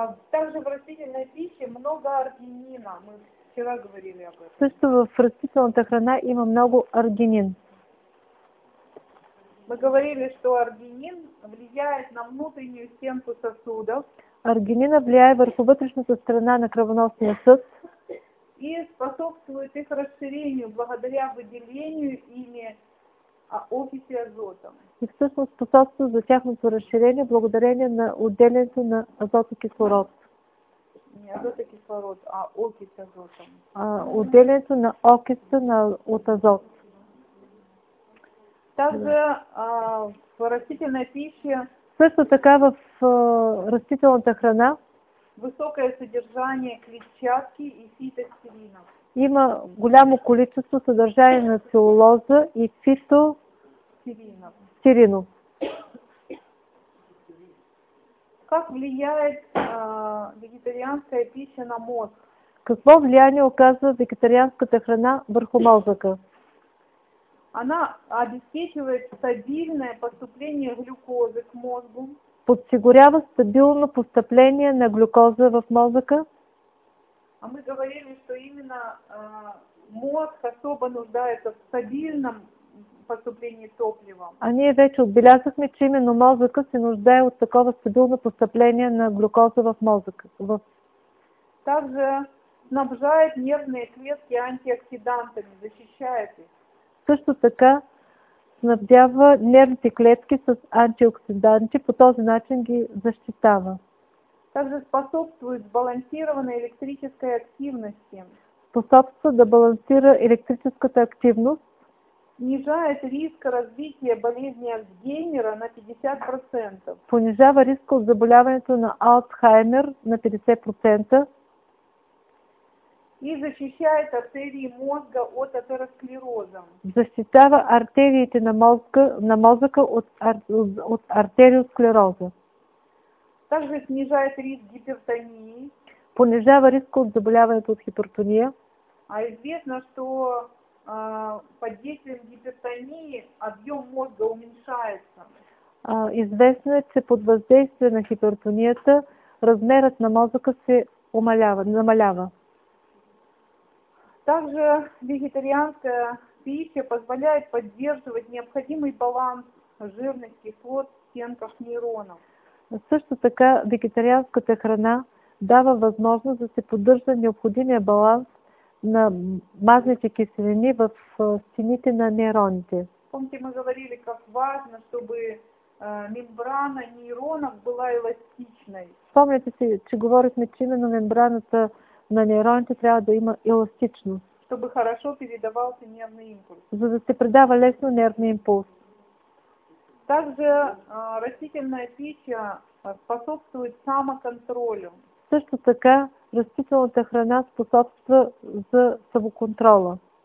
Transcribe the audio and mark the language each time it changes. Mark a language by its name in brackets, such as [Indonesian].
[Russian] Также в растительной пище много аргинина. Мы вчера говорили об этом. [Bulgarian] Също в растителната храна има много аргинин. [Russian] Мы говорили, что аргинин влияет на внутреннюю стенку сосудов. [Bulgarian] Аргинина влияе върху вътрешната страна на кръвоносния съд [Russian] и способствует их разширению благодаря выделению ими окиси азота. [Bulgarian] И всъщност способства за тяхното разширение благодарение на отделянето на азотокислород. [Russian] Не азотокислород, а окис азота. [Bulgarian] Отделянето на окиса от азот. [Russian] Также в растительной пище [Bulgarian] също така в растителната храна [Russian] високое съдържание клетчатки и фитостеринов. [Bulgarian] Има голямо количество съдържание на целулоза и фитостеринов. [Russian] Как влияет вегетарианская пища на мозг? [Bulgarian] Какво влияние оказва вегетарианската храна върху мозъка? [Russian] Она обеспечивает стабильное поступление глюкозы к мозгу. [Bulgarian] Подсигурява стабилно поступление на глюкоза в мозъка. [Russian] А мы говорили, что именно мозг особо нуждается в стабильном поступлении топлива. [Bulgarian] А ние вече отбелязахме, че именно мозъка се нуждае от такова стабилно поступление на глюкоза в мозъка. [Russian] Также снабжает нервные клетки антиоксидантами, защищает их. [Bulgarian] Също така снабдява нервните клетки с антиоксиданти, по този начин ги защитава. [Russian] Также способствует сбалансированной электрической активности. [Bulgarian] Способства да балансира електрическата активност. [Russian] Снижает риск развития болезни Альцгеймера на 50%. [Bulgarian] Понижава риска от заболяването на Алцхаймер на 50%. [Russian] И защищает артерии мозга от атеросклероза. [Bulgarian] Защитава артериите на мозга, на мозъка от артериосклероза. [Russian] Также снижает риск гипертонии. [Bulgarian] Понижава риска от заболяването от хипертония. [Russian] А известно, что под действием гипертонии объем мозга уменьшается. [Bulgarian] Известно, че под въздействие на хипертонията размерът на мозъка се намалява. [Russian] Также вегетарианская пища позволяет поддерживать необходимый баланс жирных кислот в стенках нейронов. [Bulgarian] Също така вегетарианската храна дава възможност да се поддържа необходимия баланс на мазните киселини в стените на нейроните. [Russian] Помните, мы говорили, как важно, чтобы мембрана нейронов была эластичной. [Bulgarian] Помните, че говорихме, че именно мембраната на нейроните трябва да има еластичност. [Russian] Чтобы хорошо передавался нервный импульс. [Bulgarian] За да се предава лесно [Russian] нервный импульс. Также растительная пища способствует самоконтролю. [Bulgarian] Също така растителната храна способства за самоконтрола.